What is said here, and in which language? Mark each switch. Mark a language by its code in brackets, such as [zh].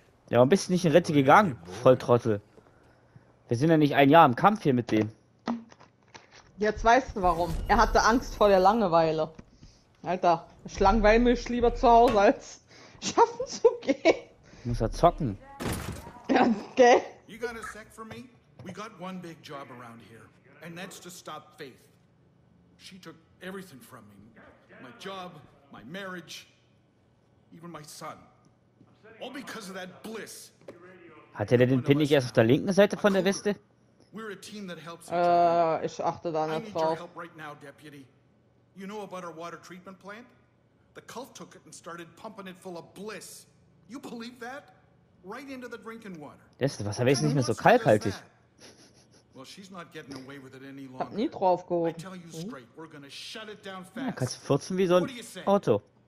[de] Ja, warum bist du nicht in Rente gegangen, Volltrottel? Wir sind ja nicht ein Jahr im Kampf hier mit dem. Jetzt weißt du warum. Er hatte Angst vor der Langeweile. Alter, ich langweile mich lieber zu Hause als schaffen zu gehen. Muss er zocken. Ja, gell? [en] You got a sec for me? We got one big job around here. And that's to stop Faith. She took everything from me. My job, my marriage, even my son. All because of that bliss. [de] Hat er den Pin nicht erst auf der linken Seite von der Weste? Ich achte da nicht drauf. [en] Right now, you know about our water treatment plant? The cult took it and started pumping it full of bliss. You believe that? Right into the drinking water. [de] Das Wasser ist nicht mehr so kalkhaltig. [en] Well, she's not getting away with it any longer. [de] Hab nie drauf gehoben. [en] I tell you straight, we're gonna shut it down fast. [de] Ja, kannst du furzen wie so ein Auto.